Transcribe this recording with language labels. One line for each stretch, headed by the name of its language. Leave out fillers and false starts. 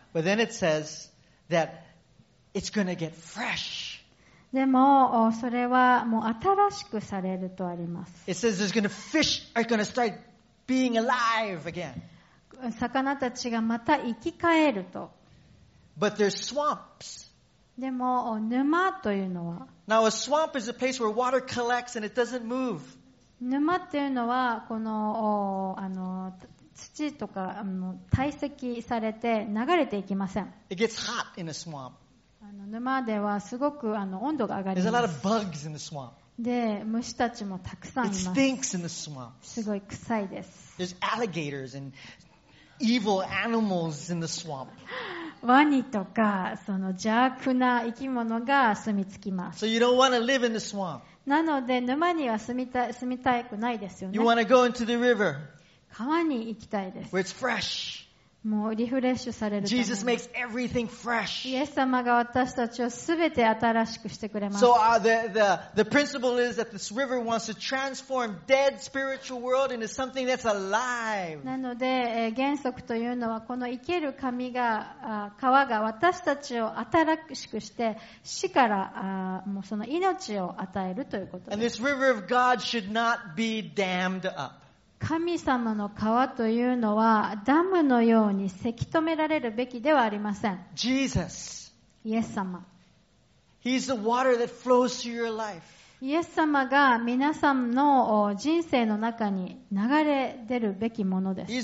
English: But then it says that it's going to get fresh.
Japanese: でもそれはもう新しくされるとあります。
English: It says there's going to fish are going to start being alive again.
Japanese: 魚たちがまた生き返ると。
English: But there's swamps.
Japanese: でも沼というのは、
English: Now a swamp is a place where water collects and it doesn't move.
Japanese: 沼っていうのはこの土とか堆積されて流れていきません。
English: It gets hot in a swamp.
Japanese: 沼ではすごく温度が上がります。
English: There's a lot of bugs in the swamp.
Japanese: で、虫たちもたくさんいます。
English: It stinks in the swamp.
Japanese: すごい臭いです。
English: There's alligators and evil animals in the swamp.
Japanese: ワニとかその邪悪な生き物が住みつきます。
English: So you don't want to live in the swamp.
Japanese: なので沼には住みたくないですよね。
English: You want to go into the river.
Japanese: 川に行きたいです。
English: Where it's fresh.
Japanese: もうリフレッシュされる。
English: Jesus makes everything fresh.
Japanese: イエス様が私たちをすべて新しくしてくれます。
English: So the principle is that this river wants to transform dead spiritual world into something that's alive.
Japanese: なので原則というのはこの生ける神が川が私たちを新しくして死からもうその命を与えるということです。
English: And this river of God should not be dammed up.
Japanese: 神様の川というのはダムのようにせき止められるべきではありません。
English: Jesus.
Japanese: イエス様。
English: He's the water that flows through your life.
Japanese: イエス様が皆さんの人生の中に流れ出るべきものです。